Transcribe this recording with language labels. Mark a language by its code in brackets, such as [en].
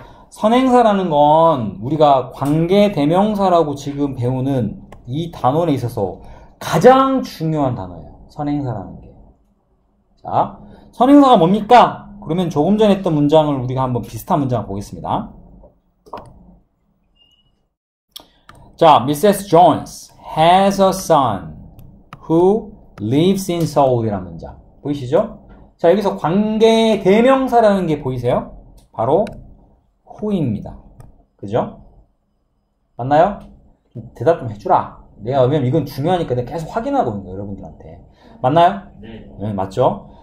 [ko] 선행사라는 건 우리가 관계대명사라고 지금 배우는 이 단원에 있어서 가장 중요한 단어예요. 선행사라는 게. 자, 선행사가 뭡니까? 그러면 조금 전에 했던 문장을 우리가 한번 비슷한 문장을 보겠습니다. 자, Mrs. [en] Jones has a son who lives in Seoul [ko] 이란 문장. 보이시죠? 자, 여기서 관계 대명사라는 게 보이세요? 바로 who입니다. 그죠? 맞나요? 대답 좀 해주라. 내가, 왜냐면 이건 중요하니까 내가 계속 확인하고 있는 거예요, 여러분들한테. 맞나요? 네. 네, 맞죠?